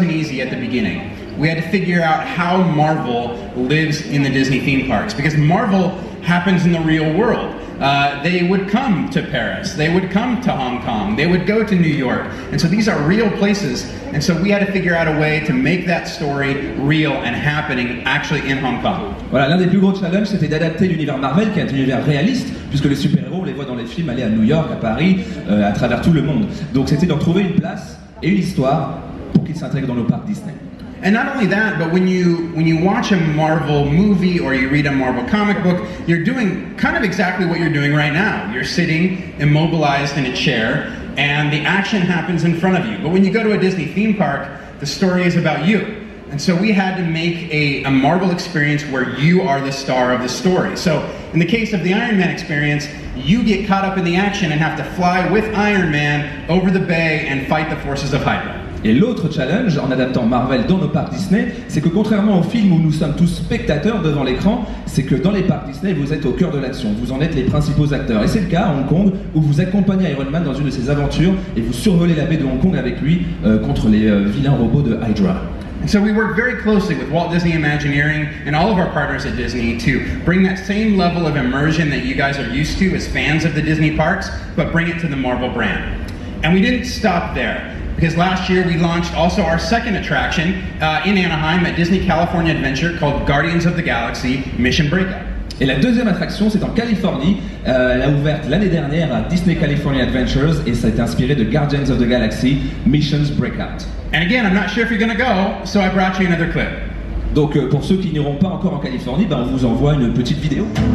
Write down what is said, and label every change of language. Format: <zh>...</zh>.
<en>Figure out how Marvel lives in the Disney theme parks, because Marvel happens in the real world. They would come to Paris, they would come to Hong Kong, they would go to New York, and so these are real places, and so we had to figure out a way to make that story real and happening actually in Hong Kong.</en> <fr>Voilà, l'un des plus gros challenges c'était d'adapter l'univers Marvel, qui est un univers réaliste, puisque les super-héros, on les voit dans les films, aller à New York, à Paris, à travers tout le monde. Donc c'était d'en trouver une place et une histoire pour qu'ils s'intègrent dans nos parcs Disney.</fr> <en>And not only that, but when you watch a Marvel movie or you read a Marvel comic book, you're doing kind of exactly what you're doing right now. You're sitting immobilized in a chair and the action happens in front of you. But when you go to a Disney theme park, the story is about you. And so we had to make a Marvel experience where you are the star of the story. So in the case of the Iron Man experience, you get caught up in the action and have to fly with Iron Man over the bay and fight the forces of Hydra.</en> <fr>Et l'autre challenge en adaptant Marvel dans nos parcs Disney, c'est que contrairement au film où nous sommes tous spectateurs devant l'écran, c'est que dans les parcs Disney, vous êtes au cœur de l'action, vous en êtes les principaux acteurs. Et c'est le cas à Hong Kong, où vous accompagnez Iron Man dans une de ses aventures et vous survolez la baie de Hong Kong avec lui contre les vilains robots de Hydra.</fr> <en>And so we work very closely with Walt Disney Imagineering and all of our partners at Disney to bring that same level of immersion that you guys are used to as fans of the Disney parks, but bring it to the Marvel brand. And we didn't stop there. Because last year we launched also our second attraction in Anaheim at Disney California Adventure called Guardians of the Galaxy Mission Breakout.</en> <fr>Et la deuxième attraction, c'est en Californie. Elle a ouvert l'année dernière à Disney California Adventures et ça a été inspiré de Guardians of the Galaxy Mission Breakout.</fr> <en>And again, I'm not sure if you're going to go, so I brought you another clip.</en> <fr>Donc pour ceux qui n'iront pas encore en Californie, ben, on vous envoie une petite vidéo.</fr>